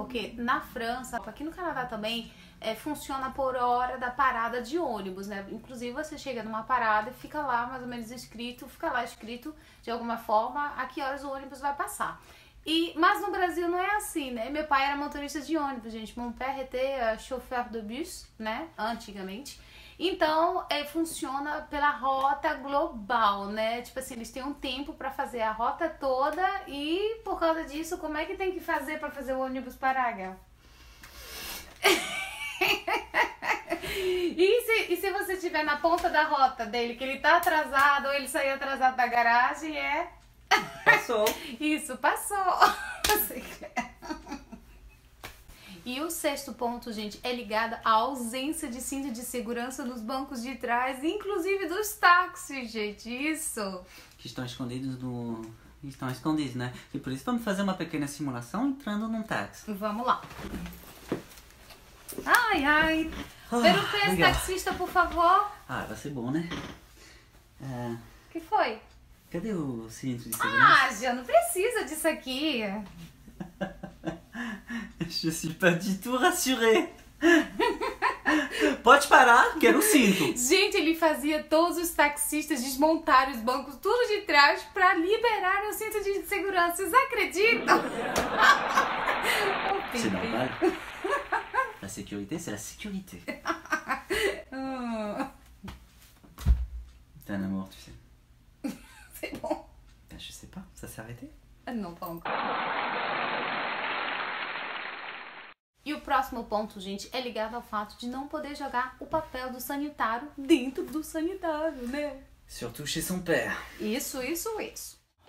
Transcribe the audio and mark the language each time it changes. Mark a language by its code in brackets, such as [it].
[pt] Porque na França, aqui no Canadá também, funciona por hora da parada de ônibus, né? Inclusive você chega numa parada e fica lá mais ou menos escrito, fica lá escrito de alguma forma a que horas o ônibus vai passar. Mas no Brasil não é assim, né? Meu pai era motorista de ônibus, gente. [fr] Mon père était chauffeur de bus, né? [pt] Antigamente. Então, funciona pela rota global, né? Tipo assim, eles têm um tempo pra fazer a rota toda e, por causa disso, como é que tem que fazer pra fazer o ônibus parar, Gal? E se você estiver na ponta da rota dele, que ele tá atrasado ou ele saiu atrasado da garagem, é... Passou. Isso, passou. E o sexto ponto, gente, é ligado à ausência de cinto de segurança nos bancos de trás, inclusive dos táxis, gente, isso. Que estão escondidos no, estão escondidos, né? E por isso vamos fazer uma pequena simulação entrando num táxi. Vamos lá. Ai, ai. Pelo pés, taxista, por favor. Ah, vai ser bom, né? Que foi? Cadê o cinto de segurança? Ah, já não precisa disso aqui. [fr] Je suis pas du tout rassuré. [pt] Pode parar, quero o cinto. Gente, ele fazia todos os taxistas desmontarem os bancos, tudo de trás, pra liberar o cinto de segurança. Vocês acreditam? [fr] Oh, c'est normal. La sécurité, c'est la sécurité. T'es un amour, tu sais. C'est bon. Ben, je sais pas, ça s'est arrêté? Non, pas encore. [pt] E o próximo ponto, gente, é ligado ao fato de não poder jogar o papel do sanitário dentro do sanitário, né? [fr] Surtout chez son père. [pt] Isso, isso, isso.